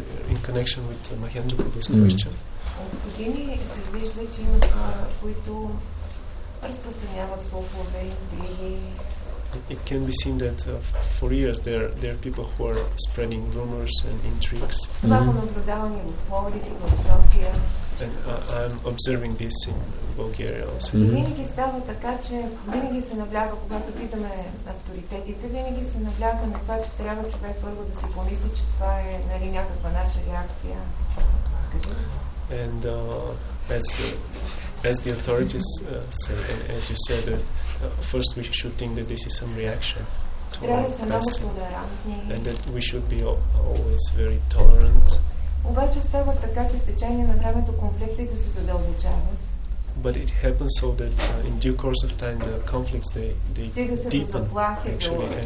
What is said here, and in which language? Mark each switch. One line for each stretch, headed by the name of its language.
English: In connection with Mahendra Prabhu's question.
Bulgarian: Години се вижда, че има хора, които разпространяват слухове или.
English: It can be seen that for years there are people who are spreading rumors and intrigues. And I'm observing this in Bulgaria also.
Bulgarian: Винаги става така, че винаги се набляга, когато питаме авторитетите, винаги се набляга на това, че трябва човек първо да си помисли, че това е нали, някаква наша реакция.
English: And as the authorities say, and as you said, that first we should think that this is some reaction to our fasting, and that we should be always very tolerant.
Bulgarian: Обаче става така, че с течение на времето конфликтите се задълбочават.
English: But it happens so that in due course of time the conflicts they deepen actually.